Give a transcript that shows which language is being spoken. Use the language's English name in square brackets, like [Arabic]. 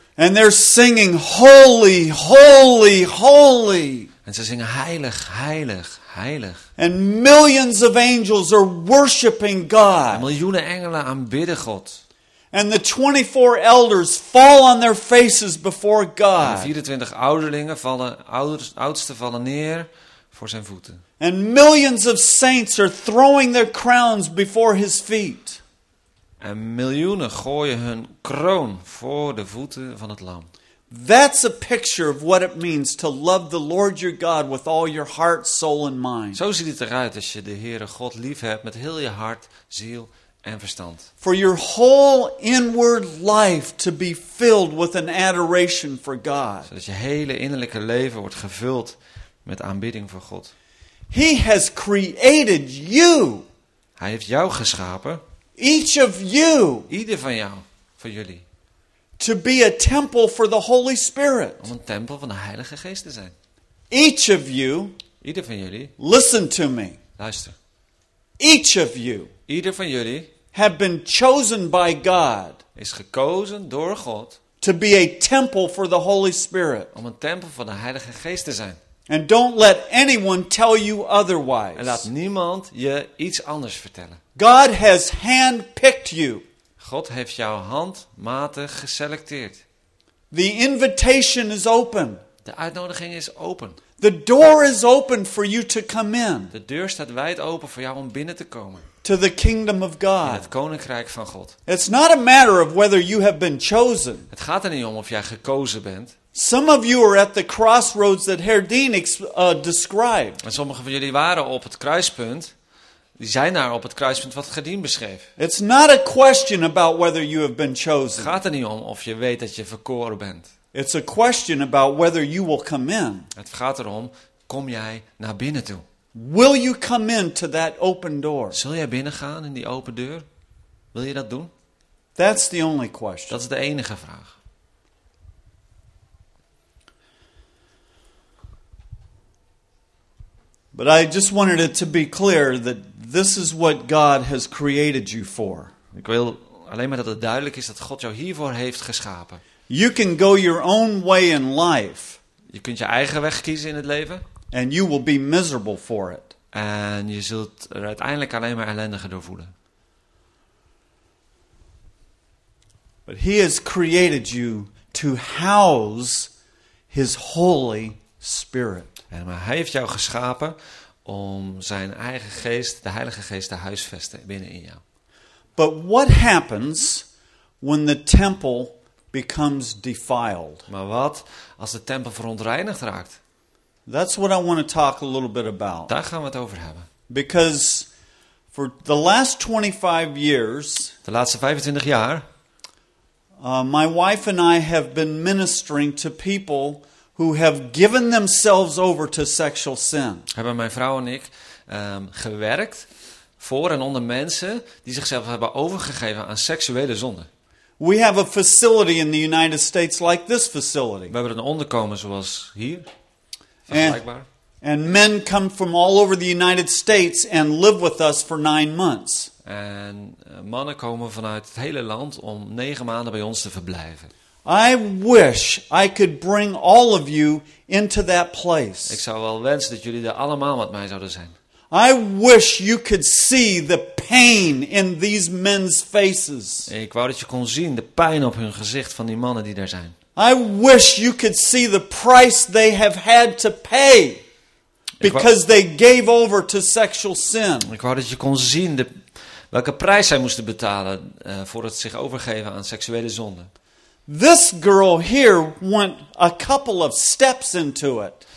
[English] And they're singing holy, holy, holy. [Dutch] En ze zingen heilig, heilig, heilig. [English] And millions of angels are worshiping God. [Dutch] En miljoenen engelen aanbidden God. [English] And the 24 elders fall on their faces before God. [Dutch] En de 24 ouderlingen vallen, oudsten vallen neer voor zijn voeten. [English] And millions of saints are throwing their crowns before his feet. [Dutch] En miljoenen gooien hun kroon voor de voeten van het Lam. [English] That's a picture of what it means to love the Lord your God with all your heart, soul and mind. [Dutch] Zo ziet het eruit als je de Heere God lief hebt met heel je hart, ziel en verstand. [English] For your whole inward life to be filled with an adoration for God. [Dutch] Zodat je hele innerlijke leven wordt gevuld met aanbidding voor God. [English] He has created you. [Dutch] Hij heeft jou geschapen. [English] Each of you. [Dutch] Ieder van jou, van jullie. [English] To be a temple for the Holy Spirit. [Dutch] Om een tempel van de Heilige Geest te zijn. [English] Each of you. [Dutch] Ieder van jullie. [English] Listen to me. [Dutch] Luister. [English] Each of you. [Dutch] Ieder van jullie. [English] Have been chosen by God. [Dutch] Is gekozen door God. [English] To be a temple for the Holy Spirit. [Dutch] Om een tempel van de Heilige Geest te zijn. [English] And don't let anyone tell you otherwise. [Dutch] En laat niemand je iets anders vertellen. [English] God has handpicked you. [Dutch] God heeft jou handmatig geselecteerd. [English] The invitation is open. [Dutch] De uitnodiging is open. [English] The door is open for you to come in. [Dutch] De deur staat wijd open voor jou om binnen te komen. [English] To the kingdom of God. [Dutch] In het koninkrijk van God. [English] It's not a matter of whether you have been chosen. [Dutch] Het gaat er niet om of jij gekozen bent. [English] Some of you are at the crossroads that Herdien described. [Dutch] En sommige van jullie waren op het kruispunt. Die zijn daar op het kruispunt wat Herdien beschreef. [English] It's not a question about whether you have been chosen. [Dutch] Het gaat er niet om of je weet dat je verkoren bent. [English] It's a question about whether you will come in. [Dutch] Het gaat erom, kom jij naar binnen toe? [English] Will you come in to that open door? [Dutch] Zul jij binnengaan in die open deur? Wil je dat doen? [English] That's the only question. [Dutch] Dat is de enige vraag. [English] But I just wanted it to be clear that this is what God has created you for. [Dutch] Ik wil alleen maar dat het duidelijk is dat God jou hiervoor heeft geschapen. [English] You can go your own way in life. [Dutch] Je kunt je eigen weg kiezen in het leven. [English] And you will be miserable for it. [Dutch] En je zult er uiteindelijk alleen maar ellendiger door voelen. [English] But he has created you to house his holy spirit. [Dutch] En maar hij heeft jou geschapen om zijn eigen geest, de Heilige Geest, te huisvesten binnen in jou. [English] But what happens when the temple becomes defiled. [Dutch] Maar wat als de tempel verontreinigd raakt? [English] That's what I want to talk a little bit about. [Dutch] Daar gaan we het over hebben. [English] Because for the last 25 years, [Dutch] de laatste 25 jaar, [English] my wife and I have been ministering to people who have given themselves over to sexual sin. [Dutch] Hebben mijn vrouw en ik gewerkt voor en onder mensen die zichzelf hebben overgegeven aan seksuele zonde. [English] We have a facility in the United States like this facility. [Dutch] We hebben een onderkomen zoals hier. Vergelijkbaar. [English] And men come from all over the United States and live with us for 9 months. [Dutch] En mannen komen vanuit het hele land om 9 maanden bij ons te verblijven. [English] I wish I could bring all of you into that place. [Dutch] Ik zou wel wensen dat jullie er allemaal met mij zouden zijn. [English] I wish you could see the pain in these men's faces. [Dutch] Ik wou dat je kon zien de pijn op hun gezicht van die mannen die daar zijn. [English] I wish you could see the price they have had to pay. Because they gave over to sexual sin. [Dutch] Ik wou dat je kon zien welke prijs zij moesten betalen voor het zich overgeven aan seksuele zonde. [English] This girl here went a couple of steps into it.